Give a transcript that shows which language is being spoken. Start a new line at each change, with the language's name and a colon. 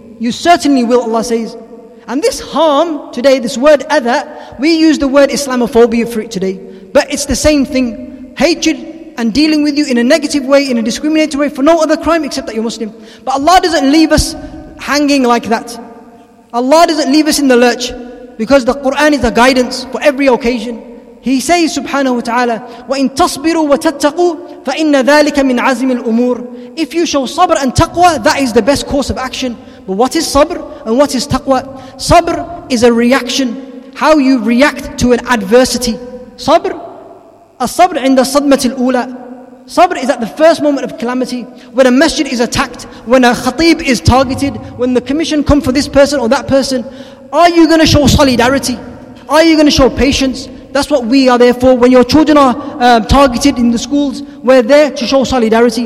English: You certainly will, Allah says. And this harm today, this word adha, we use the word Islamophobia for it today. But it's the same thing. Hatred and dealing with you in a negative way, in a discriminatory way, for no other crime except that you're Muslim. But Allah doesn't leave us hanging like that. Allah doesn't leave us in the lurch. Because the Qur'an is a guidance for every occasion. He says,
Arabic: subhanahu wa ta'ala, وَإِن تَصْبِرُوا وَتَتَّقُوا فَإِنَّ ذَلِكَ مِنْ عَزِمِ الْأُمُورِ.
English: If you show sabr and taqwa, that is the best course of action. But what is sabr and what is taqwa? Sabr is a reaction, how you react to an adversity.
Arabic: Sabr, الصبر عند الصدمة الأولى.
English: Sabr is at the first moment of calamity, when a masjid is attacked, when a khatib is targeted, when the commission come for this person or that person. Are you going to show solidarity? Are you going to show patience? That's what we are there for. When your children are targeted in the schools, we're there to show solidarity.